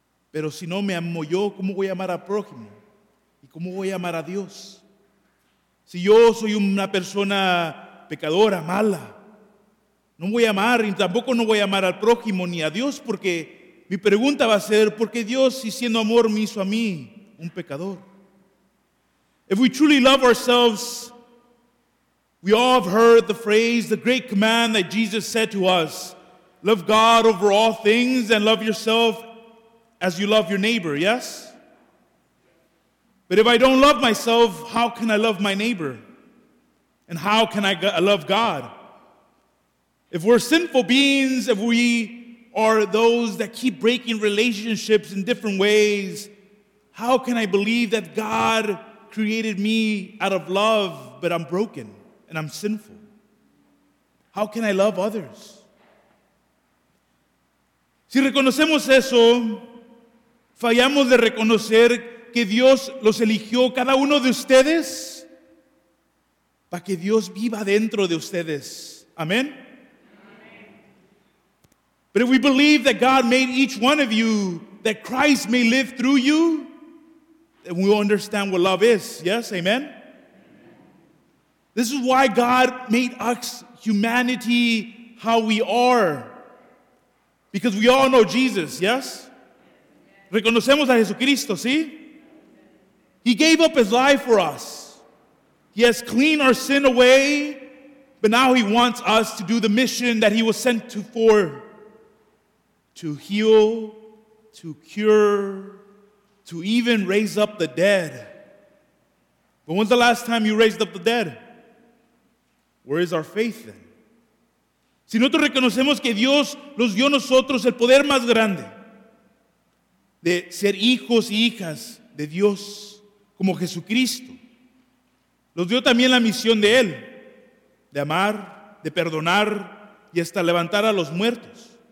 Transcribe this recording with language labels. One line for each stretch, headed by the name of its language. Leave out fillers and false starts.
Spanish: Pero si no me amo yo, ¿cómo voy a amar al prójimo? ¿Y cómo voy a amar a Dios? Si yo soy una persona pecadora, mala, no voy a amar y tampoco no voy a amar al prójimo ni a Dios, porque mi pregunta va a ser, ¿por qué Dios, si siendo amor, me hizo a mí un pecador?
English: If we truly love ourselves, we all have heard the phrase, the great command that Jesus said to us, love God over all things and love yourself as you love your neighbor, yes? But if I don't love myself, how can I love my neighbor? And how can I love God? If we're sinful beings, if we are those that keep breaking relationships in different ways, how can I believe that God created me out of love, but I'm broken and I'm sinful? How can I love others?
Spanish: Si reconocemos eso, fallamos de reconocer que Dios los eligió cada uno de ustedes para que Dios viva dentro de ustedes.
English: Amen? But if we believe that God made each one of you, that Christ may live through you, then we will understand what love is. Yes? Amen? This is why God made us, humanity, how we are. Because we all know Jesus. Yes?
Spanish: Reconocemos a Jesucristo, ¿sí?
English: He gave up his life for us. He has cleaned our sin away, but now he wants us to do the mission that he was sent to for. To heal, to cure, to even raise up the dead. But when's the last time you raised up the dead? Where is our faith then?
Spanish: Si nosotros reconocemos que Dios nos dio a nosotros el poder más grande de ser hijos y hijas de Dios como Jesucristo, nos dio también la misión de Él, de amar, de perdonar y hasta levantar a los muertos.